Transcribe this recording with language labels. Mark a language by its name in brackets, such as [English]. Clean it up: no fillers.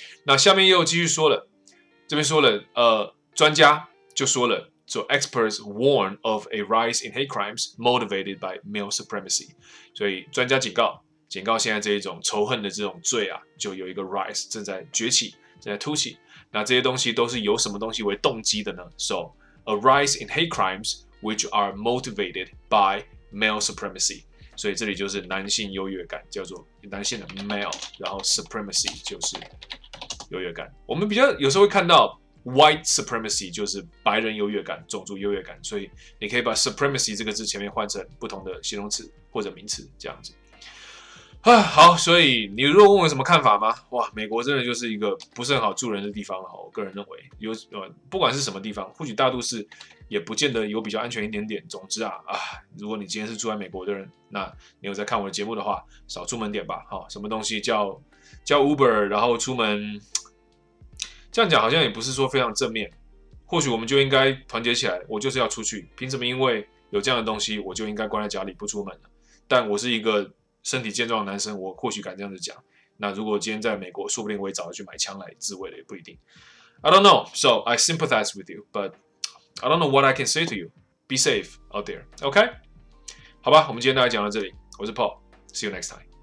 [Chinese] 那下面又继续说了，这边说了，专家就说了，说 [English] experts warn of a rise in hate crimes motivated by male supremacy， [Chinese] 所以专家警告。警告现在这一种仇恨的这种罪啊，就有一个 rise 正在崛起，正在突起。那这些东西都是由什么东西为动机的呢 ？ [English] So a rise in hate crimes which are motivated by male supremacy。 [Chinese] 所以这里就是男性优越感，叫做男性的 male， 然后 supremacy 就是优越感。我们比较有时候会看到 white supremacy， 就是白人优越感、种族优越感。所以你可以把 supremacy 这个字前面换成不同的形容词或者名词，这样子。啊，好，所以你如果问我有什么看法吗？哇，美国真的就是一个不是很好住人的地方了。我个人认为，不管是什么地方，或许大都市也不见得有比较安全一点点。总之啊，如果你今天是住在美国的人，那你有在看我的节目的话，少出门点吧。好，什么东西叫 Uber， 然后出门，这样讲好像也不是说非常正面。或许我们就应该团结起来，我就是要出去，凭什么因为有这样的东西，我就应该关在家里不出门了？但我是一个。身体健壮的男生，我或许敢这样子讲。那如果今天在美国，说不定我也早就去买枪来自卫了，也不一定。 [English] I don't know, so I sympathize with you, but I don't know what I can say to you. Be safe out there, okay? [Chinese] 好吧，我们今天大概讲到这里。我是 Paul, [English] see you next time.